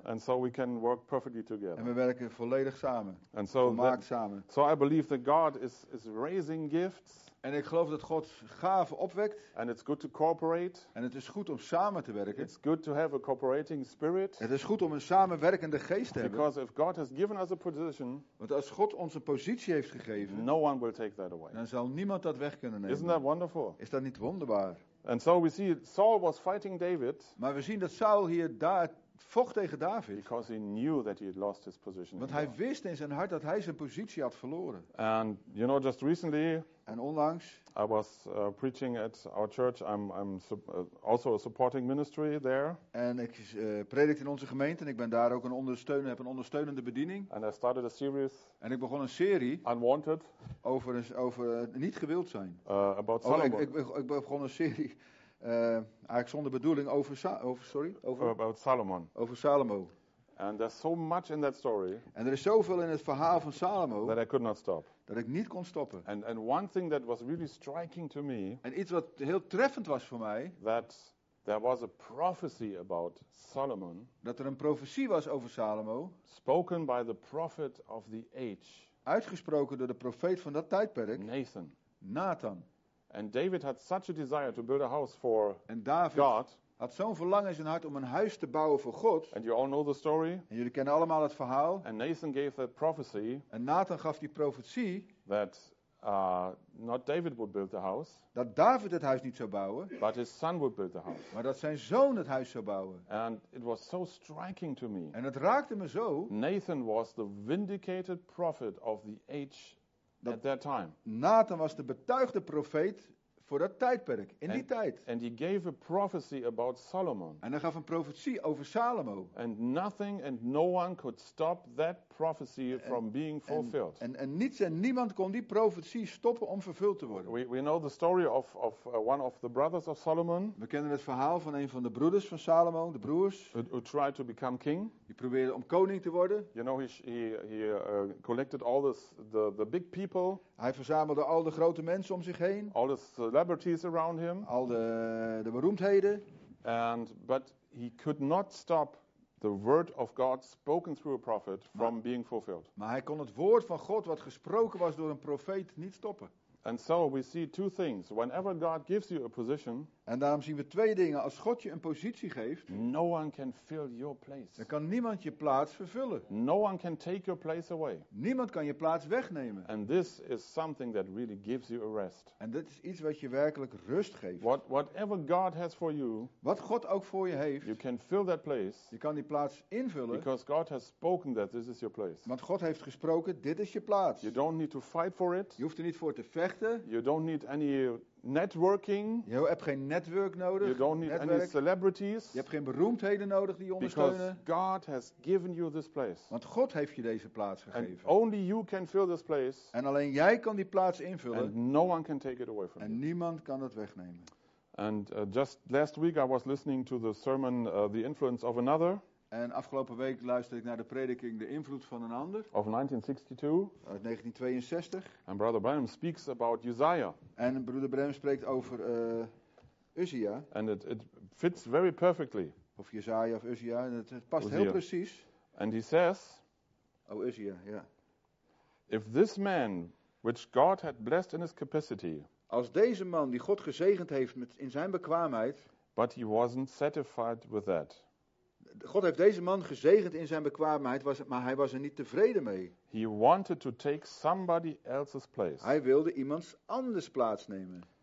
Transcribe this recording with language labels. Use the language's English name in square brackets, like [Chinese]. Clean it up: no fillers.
[English] And so we can work perfectly together. [Dutch] En we werken volledig samen. [English] And so [Dutch] volmaakt samen. [English] So I believe that God is raising gifts. [Dutch] En ik geloof dat God gaven opwekt. [English] And it's good to cooperate. [Dutch] En het is goed om samen te werken. [English] It's good to have a cooperating spirit. [Dutch] Het is goed om een samenwerkende geest te hebben. [English] Because if God has given us a position, [Dutch] want als God onze positie heeft gegeven, [English] no one will take that away. [Dutch] Dan zal niemand dat weg kunnen nemen. [English] Isn't that wonderful? [Dutch] Is dat niet wonderbaar? [English] And so we see Saul was fighting David. [Dutch] Maar we zien dat Saul hier vocht tegen David. [English] Because he knew that he had lost his position. [Dutch] Want hij wist in zijn hart dat hij zijn positie had verloren. [English] And you know, just recently. [Dutch] En onlangs. [English] I was preaching at our church. I'm also a supporting ministry there. [Dutch] En ik predik in onze gemeente en ik ben daar ook een ondersteunende bediening. [English] And I started a series. [Dutch] En ik begon een serie. [English] Unwanted. [Dutch] Over niet gewild zijn. [English] About Solomon. Oh, [Dutch] ik begon een serie. Eigenlijk zonder bedoeling [English] about Solomon. [Dutch] Over Salomo. [English] And there's so much in that story. [Dutch] En er is zoveel in het verhaal van Salomo. [English] That I could not stop. [Dutch] Dat ik niet kon stoppen. [English] And one thing that was really striking to me. [Dutch] En iets wat heel treffend was voor mij. [English] That there was a prophecy about Solomon. [Dutch] Dat er een profetie was over Salomo. [English] Spoken by the prophet of the age. [Dutch] Uitgesproken door de profeet van dat tijdperk. [English] Nathan. And David had such a desire to build a house for God. [Dutch] En David had zo'n verlangen in zijn hart om een huis te bouwen voor God. [English] And you all know the story. [Dutch] En jullie kennen allemaal het verhaal. [English] And Nathan gave that prophecy. [Dutch] En Nathan gaf die profetie. [English] That not David would build the house. [Dutch] Dat David het huis niet zou bouwen. [English] But his son would build the house. [Dutch] Maar dat zijn zoon het huis zou bouwen. [English] And it was so striking to me. [Dutch] En het raakte me zo. [English] Nathan was the vindicated prophet of the age. At that time. [Dutch] Nathan was de betuigde profeet voor dat tijdperk, die tijd. [English] And he gave a prophecy about Solomon. [Dutch] En hij gaf een profetie over Salomo. [English] And nothing and no one could stop that prophecy from being fulfilled. [Dutch] En niets en niemand kon die profetie stoppen om vervuld te worden. [English] We know the story of one of the brothers of Solomon. [Dutch] We kennen het verhaal van een van de broeders van Salomo, de broers. [English] Who tried to become king. [Dutch] Die probeerde om koning te worden. [English] You know, he collected all the big people. [Dutch] Hij verzamelde al de grote mensen om zich heen. [English] All the celebrities around him. [Dutch] Al de beroemdheden. [English] But he could not stop the word of God spoken through a prophet from being fulfilled. [Dutch] Maar hij kon het woord van God wat gesproken was door een profeet niet stoppen. [English] And so we see two things. Whenever God gives you a position. [Dutch] En daarom zien we twee dingen. Als God je een positie geeft. [English] No one can fill your place. [Dutch] Dan kan niemand je plaats vervullen. [English] No one can take your place away. [Dutch] Niemand kan je plaats wegnemen. [English] And this is something that really gives you a rest. [Dutch] En dit is iets wat je werkelijk rust geeft. [English] Whatever God has for you. [Dutch] Wat God ook voor je heeft. [English] You can fill that place. [Dutch] Je kan die plaats invullen. [English] Because God has spoken that this is your place. [Dutch] Want God heeft gesproken, dit is je plaats. [English] You don't need to fight for it. [Dutch] Je hoeft er niet voor te vechten. [English] You don't need any networking. [Dutch] Je hebt geen netwerk nodig. [English] You don't need any celebrities. [Dutch] Je hebt geen beroemdheden nodig die je ondersteunen. [English] Because God has given you this place. [Dutch] Want God heeft je deze plaats gegeven. [English] And only you can fill this place. [Dutch] En alleen jij kan die plaats invullen. [English] And no one can take it away from [Dutch] en [English] you. [Dutch] En niemand kan dat wegnemen. [English] And just last week I was listening to the sermon The Influence of Another. [Dutch] En afgelopen week luisterde ik naar de prediking De Invloed van een Ander. [English] Of 1962. [Dutch] Uit 1962. [English] And Brother Branham speaks about Uzziah. [Dutch] En Broeder Branham spreekt over Uzziah. [English] And it fits very perfectly. [Dutch] Of Uzziah of Uzziah. En het past Uzziah. Heel precies. [English] And he says. [Dutch] Oh, Uzziah, ja. Yeah. [English] If this man, which God had blessed in his capacity. [Dutch] Als deze man die God gezegend heeft met in zijn bekwaamheid. [English] But he wasn't satisfied with that. [Dutch] God heeft deze man gezegend in zijn bekwaamheid, maar hij was er niet tevreden mee. [English] He wanted to take somebody else's place. [Dutch] Hij wilde iemands anders plaats nemen.